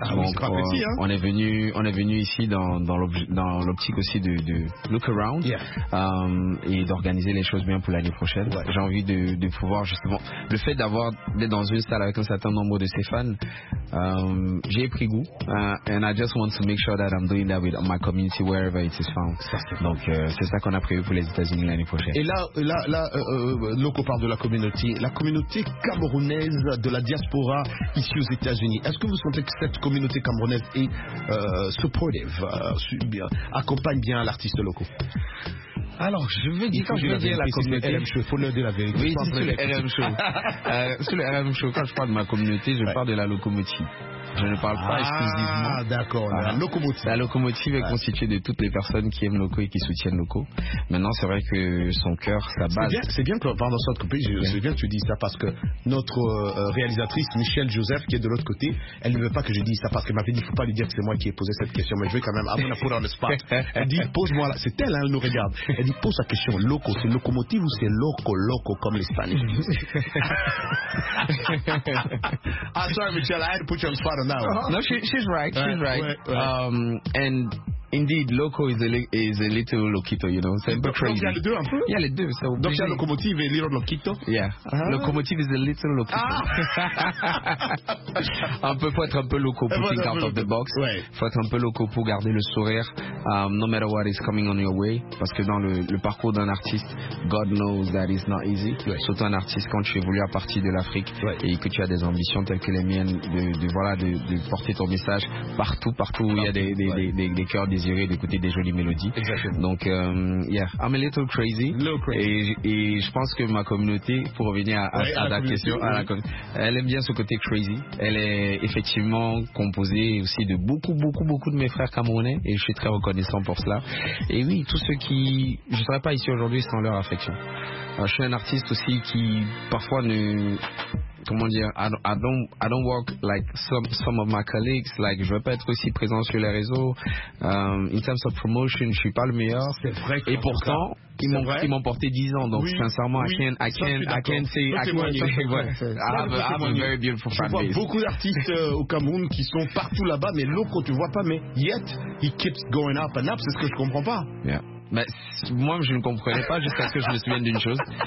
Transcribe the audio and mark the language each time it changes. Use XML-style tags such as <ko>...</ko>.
<fr>Ah, donc, c'est pas petit, hein. On est venu ici dans l'optique aussi de</fr> <en>look around. Yeah.</en> <fr>Et d'organiser les choses bien pour l'année prochaine. Ouais. J'ai envie de pouvoir justement. Le fait d'être dans une salle avec un certain nombre de ses fans, j'ai pris goût.</fr> <en>And I just want to make sure that I'm doing that with my community wherever it is found.</en> <fr>Donc c'est ça qu'on a prévu pour les États-Unis l'année prochaine. Et Loco parle de la communauté camerounaise de la diaspora ici aux États-Unis. Est-ce que vous sentez que cette communauté camerounaise est supportive, accompagne bien l'artiste Loco? Alors, je veux dire, quand je veux dire la communauté, faut leur dire la vérité. Oui, sur le RM Show, quand je parle de ma communauté, je parle de la locomotive. Je ne parle pas exclusivement. Ah, d'accord. Voilà. La locomotive est constituée de toutes les personnes qui aiment Loco et qui soutiennent Loco. Maintenant, c'est vrai que son cœur, sa base. C'est bien que tu dises ça parce que notre réalisatrice, Michelle Joseph, qui est de l'autre côté, elle ne veut pas que je dise ça parce qu'elle m'avait dit, il ne faut pas lui dire que c'est moi qui ai posé cette question. Mais je vais quand même,</fr> <en>I'm going to put on the spot.</en> <fr>Elle dit, pose-moi là. C'est elle, elle nous regarde. Elle dit, pose la question, Loco, c'est locomotive ou c'est loco comme l'espagnol?</fr> <en>I'm sorry, Michelle, I had to put you on the spot. No, she's right. And indeed, Loco is a little loquito, you know.</en> <fr>C'est un peu crazy. Donc, il y a les deux un peu. Il y a les deux.</fr> <en>So</en> <fr>donc, il y a locomotive et</fr> <en>little loquito. Yeah. Uh-huh. Locomotive is a little loquito. Ah.</en> <fr>Un peu, faut être un peu loco pour</fr> <en>think out of the box.</en> <fr>Ouais. Faut être un peu loco pour garder le sourire.</fr> <en>No matter what is coming on your way.</en> <fr>Parce que dans le parcours d'un artiste,</fr> <en>God knows that it's not easy.</en> <fr>Ouais. Surtout un artiste quand tu es voulu à partir de l'Afrique et que tu as des ambitions telles que les miennes de porter ton message partout où il y a des cœurs désirés d'écouter des jolies mélodies. Exactement. Donc,</fr> <en>yeah, I'm a little crazy. A little crazy.</en> <fr>Et je pense que ma communauté, pour revenir à la question, elle aime bien ce côté crazy. Elle est effectivement composée aussi de beaucoup de mes frères camerounais et je suis très reconnaissant pour cela. Et oui, tous ceux qui... Je ne serais pas ici aujourd'hui sans leur affection. Alors, je suis un artiste aussi qui parfois ne... Comment dire,</fr> <en>I don't work like some of my colleagues. Like,</en> <fr>je veux pas être aussi présent sur les réseaux.</fr> <en>In terms of promotion,</en> <fr>je suis pas le meilleur. C'est vrai. Et pourtant, ils m'ont porté 10 ans. Donc, oui, sincèrement, oui,</fr> <en>I have a very beautiful fan base.</en> <fr>Je vois beaucoup d'artistes au Cameroun qui sont partout là-bas, mais Loco, tu vois pas. Mais</fr> <en>yet, he keeps going up and up.</en> <fr>C'est ce que je comprends pas.</fr> <en>Yeah.</en> <fr>Mais moi, je ne comprenais pas jusqu'à ce que je me souvienne d'une chose.</fr>